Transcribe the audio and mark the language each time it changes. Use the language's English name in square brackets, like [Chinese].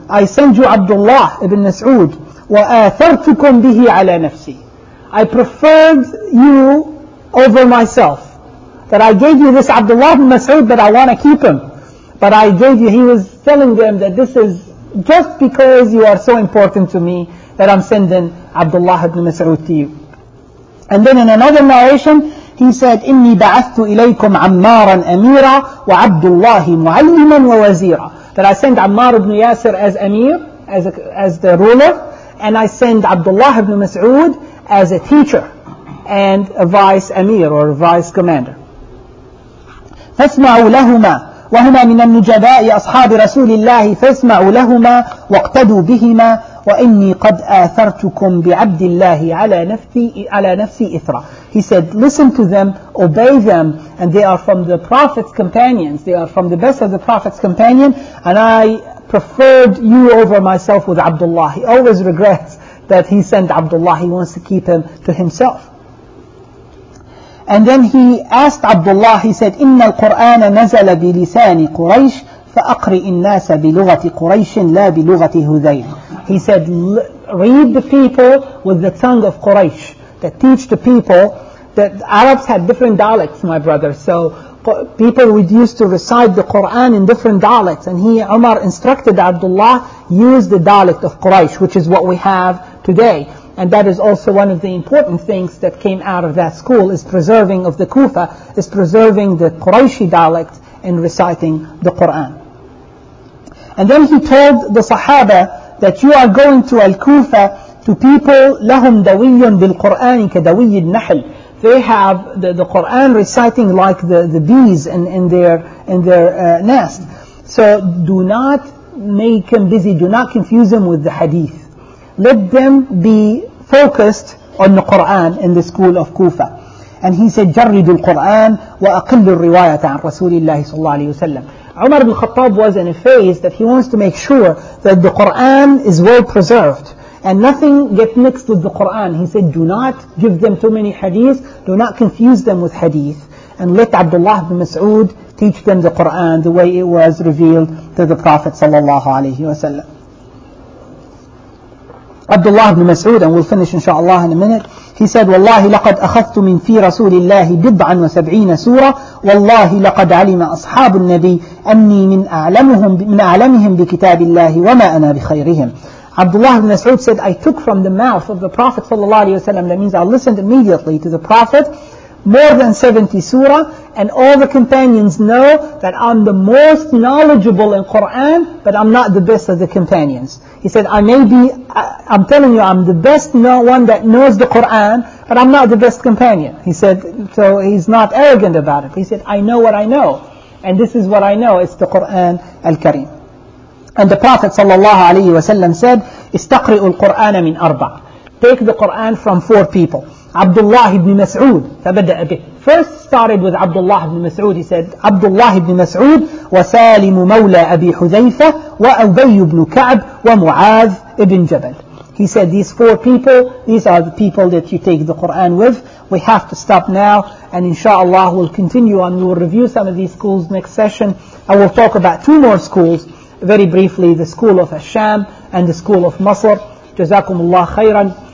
[English] I send you Abdullah ibn Mas'ud. [Arabic] Wa athartukum bihi ala nafsi. [English] I preferred you over myself. that I gave you this Abdullah ibn Mas'ud, but I want to keep him. But I gave you, he was telling them that this is just because you are so important to me that I'm sending Abdullah ibn Mas'ud to you. And then in another narration, he said, [Arabic] إِنِّي بَعَثْتُ إِلَيْكُمْ عَمَّارًا أَمِيرًا وَعَبْدُ اللَّهِ مُعَلِّمًا وَوَزِيرًا. That I send Ammar ibn Yasir as Amir, as the ruler, and I send Abdullah ibn Mas'ud as a teacher and a vice Amir or a vice commander. فَاسْمَعُوا لَهُمَا وَهُمَا مِنَ النُّجَبَاءِ أَصْحَابِ رَسُولِ اللَّهِ فَاسْمَعُوا لَهُمَا وَاقْتَدُوا بِهِمَا وَإِنِّي قَدْ آثَرْتُكُمْ بِعَبْدِ اللَّهِ عَلَى نَفْسِي إِثْرًا. [English] He said, listen to them, obey them, and they are from the Prophet's companions. They are from the best of the Prophet's companion, and I preferred you over myself with Abdullah. He always regrets that he sent Abdullah. He wants to keep him to himself. And then he asked Abdullah, he said, [Arabic] إِنَّ الْقُرْآنَ نَزَلَ بِلِسَانِ قُرَيْشٍ فَأَقْرِئِ النَّاسَ بِلُغَةِ قُرَيْشٍ لَا بِلُغَةِ هُذَيْنِ. [English] He said, read the people with the tongue of Quraysh, that teach the people that the Arabs had different dialects, my brother. So people would used to recite the Quran in different dialects. And he, Umar, instructed Abdullah, use the dialect of Quraysh, which is what we have today. And that is also one of the important things that came out of that school, is preserving of the Kufa, is preserving the Qurayshi dialect in reciting the Quran. And then he told the Sahaba that you are going to Al-Kufa to people [Arabic] لهم دوي بالقرآن كدوي النحل. [English] They have the Quran reciting like the bees in their nest. So do not make them busy. Do not confuse them with the hadith. Let them be focused on the Quran in the school of Kufa. And he said, [Arabic] جرد القرآن وأقل الرواية عن رسول الله صلى الله عليه وسلم. [English] Umar ibn Khattab was in a phase that he wants to make sure that the Quran is well preserved and nothing gets mixed with the Quran. He said, do not give them too many hadith, do not confuse them with hadith, and let Abdullah ibn Mas'ud teach them the Quran the way it was revealed to the Prophet sallallahu alayhi wa sallam. Abdullah ibn Mas'ud, and we'll finish inshallah in a minute, he said, [Arabic] وَاللَّهِ لَقَدْ أَخَذْتُ مِنْ فِي رَسُولِ اللَّهِ بِضْعًا وَسَبْعِينَ سُورَةً وَاللَّهِ لَقَدْ عَلِمَ أَصْحَابُ النَّبِيِّ أَنِّي مِنْ أَعْلَمِهِمْ بِكِتَابِ اللَّهِ وَمَا أَنَا بِخَيْرِهِمْ. [English] Abdullah ibn Mas'ud said, I took from the mouth of the Prophet sallallahu alayhi wa sallam, that means I listened immediately to the Prophet, more than 70 surah, and all the companions know that I'm the most knowledgeable in Quran, but I'm not the best of the companions. He said, I'm telling you, I'm the best one that knows the Quran, but I'm not the best companion. He said, so he's not arrogant about it. He said, I know what I know, and this is what I know, it's the Quran al-Kareem. And the Prophet sallallahu alayhi wa sallam said, [Arabic] استقرئ القرآن من أربع. [English] Take the Quran from four people. Abdullah ibn Mas'ud, [Arabic] فبدأ به. [English] First started with Abdullah ibn Mas'ud. He said, [Arabic] Abdullah ibn Mas'ud, وسالم مولى أبي حذيفة وأبي بن كعب ومعاذ ابن جبل. [English] He said, these four people, these are the people that you take the Quran with. We have to stop now, and inshallah we'll continue and we'll review some of these schools next session. I will talk about two more schools very briefly, the school of Al-Sham and the school of Masr. [Arabic] جزاكم الله خيراً.